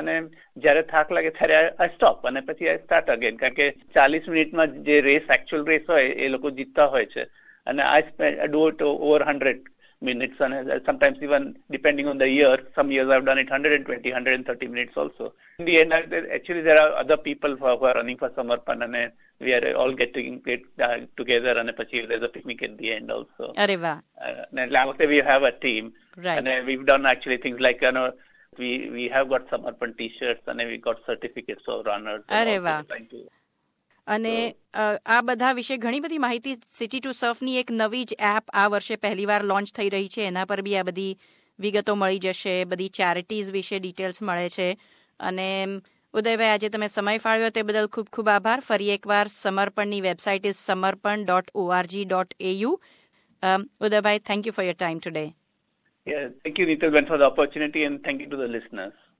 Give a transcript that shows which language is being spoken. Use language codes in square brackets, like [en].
[gu] અને જયારે થાક લાગે ત્યારે [en] I stop, અને પછી I start again, [gu] કારણ કે 40 મિનિટમાં જે રેસ એકચ્યુઅલ રેસ હોય એ લોકો જીતતા હોય છે, [en] અને I spend do it over 100 minutes, અને sometimes even depending on the year, some years I've done it 120-130 minutes also. In the end actually there are other people who are running for Samarpan, અને we are all getting together, [gu] અને પછી [en] There is a picnic at the end also. [gu] અરે વાહ. એટલે આ વખતે [en] We have a team. Right. And we've done actually things like, you know, we have got Samarpan t-shirts and we got certificates of runners. [gu] Arre va. અને આ બધા વિશે ઘણી બધી માહિતી સિટી ટુ સર્ફની એક નવી જ એપ આ વર્ષે પહેલીવાર લોન્ચ થઈ રહી છે, એના પર બી આ બધી વિગતો મળી જશે, બધી ચેરિટીઝ વિશે ડિટેલ્સ મળે છે. અને ઉદયભાઈ, આજે તમે સમય ફાળવ્યો તે બદલ ખૂબ ખૂબ આભાર. ફરી એકવાર સમર્પણની website is samarpan.org.au. [en] Udaybhai, thank you for your time today. Yeah, thank you Nitalben for the opportunity, and thank you to the listeners.